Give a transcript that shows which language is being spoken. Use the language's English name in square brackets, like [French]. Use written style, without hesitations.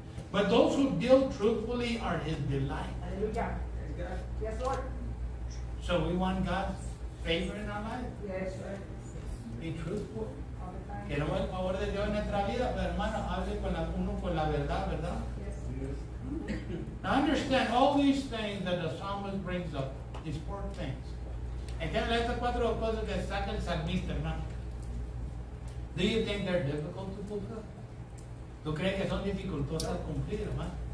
[English] But those who deal truthfully are his delight. Hallelujah. Yes, Lord. So we want God's favor in our life? Yes, sir. Be truthful. All the time. [Spanish] Queremos el favor de Dios en nuestra vida, pero hermano, hable con uno con la verdad, ¿verdad? [English] Yes. Now understand all these things that the psalmist brings up, these four things. [Spanish] Entiendo estas cuatro cosas que saca el salmista, hermano. [English] Do you think they're difficult to fulfill? [Spanish] ¿Tú crees que son dificultosas de cumplir, hermano?